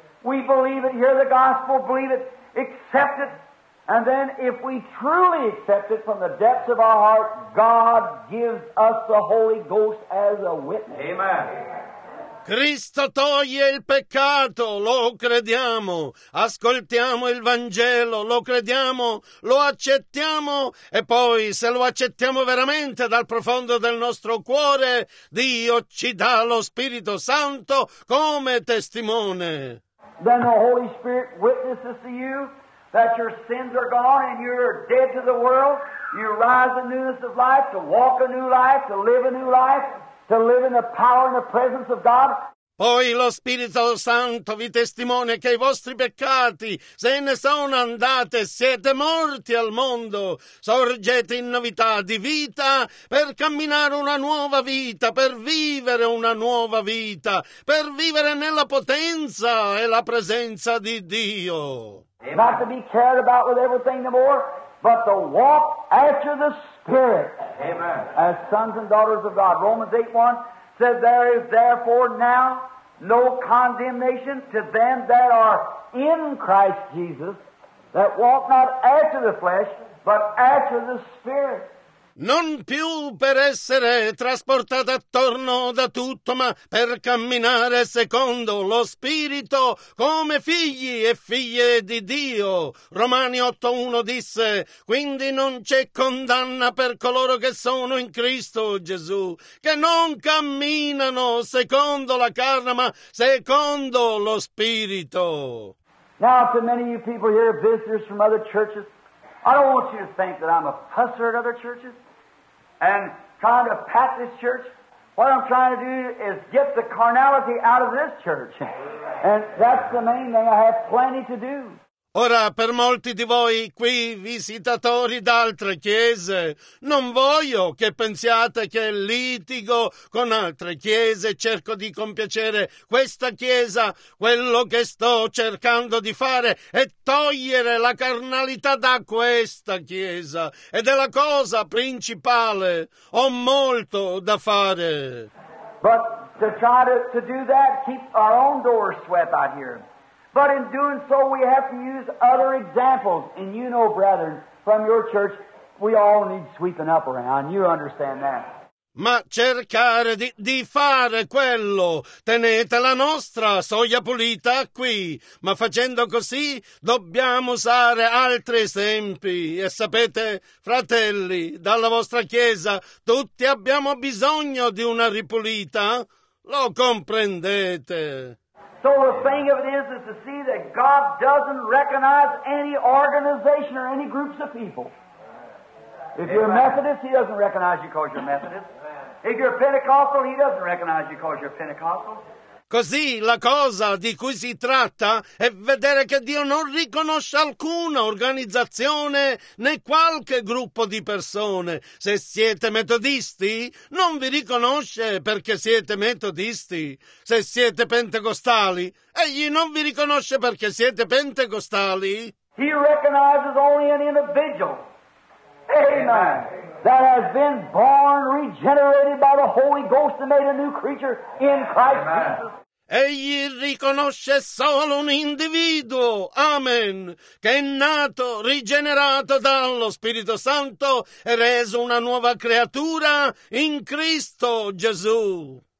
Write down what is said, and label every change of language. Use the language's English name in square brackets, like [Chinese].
[English] We believe it, hear the gospel, believe it, accept it. And then if we truly accept it from the depths of our heart, God gives us the Holy Ghost as a witness. Amen. [Italian] Cristo toglie il peccato, lo crediamo, ascoltiamo il Vangelo, lo crediamo, lo accettiamo e poi se lo accettiamo veramente dal profondo del nostro cuore, Dio ci dà lo Spirito Santo come testimone. [English] Then the Holy Spirit witnesses to you that your sins are gone and you're dead to the world, you rise in newness of life, to walk a new life, to live a new life. To live in the power and the presence of God. [Italian] Poi lo Spirito Santo vi testimonia che i vostri peccati se ne sono andate, siete morti al mondo, sorgete in novità di vita per camminare una nuova vita, per vivere una nuova vita, per vivere nella potenza e la presenza di Dio. [English] Not to be cared about with everything no more, but to walk after the Spirit. Amen. As sons and daughters of God. Romans 8:1 said, there is therefore now no condemnation to them that are in Christ Jesus, that walk not after the flesh, but after the Spirit. [Italian] Non più per essere trasportato attorno da tutto, ma per camminare secondo lo Spirito come figli e figlie di Dio. Romani 8:1 disse, quindi non c'è condanna per coloro che sono in Cristo Gesù, che non camminano secondo la carne, ma secondo lo Spirito. [English] Now, to many of you people here, visitors from other churches, I don't want you to think that I'm a fusser at other churches. And trying to pat this church, what I'm trying to do is get the carnality out of this church. And that's the main thing. I have plenty to do. [Italian] Ora, per molti di voi qui, visitatori d'altre chiese, non voglio che pensiate che litigo con altre chiese, cerco di compiacere questa chiesa. Quello che sto cercando di fare è togliere la carnalità da questa chiesa. Ed è la cosa principale. Ho molto da fare. [English] But to try to do that, keep our own doors swept out here. But in doing so, we have to use other examples. And you know, brethren, from your church, we all need sweeping up around. You understand that. [Italian] Ma cercare di fare quello, tenete la nostra soglia pulita qui. Ma facendo così, dobbiamo usare altri esempi. E sapete, fratelli, dalla vostra chiesa, tutti abbiamo bisogno di una ripulita. Lo comprendete. [English] So the thing of it is to see that God doesn't recognize any organization or any groups of people. If you're a Methodist, He doesn't recognize you because you're Methodist. If you're Pentecostal, he doesn't recognize you because you're Pentecostal. [Italian] Così la cosa di cui si tratta è vedere che Dio non riconosce alcuna organizzazione né qualche gruppo di persone. Se siete metodisti, non vi riconosce perché siete metodisti. Se siete pentecostali, egli non vi riconosce perché siete pentecostali. [English] He recognizes only an individual. Amen. That has been born, regenerated by the Holy Ghost and made a new creature in Christ Jesus. [Italian] Egli riconosce solo un individuo, amen, che è nato, rigenerato dallo Spirito Santo e reso una nuova creatura in Cristo Gesù.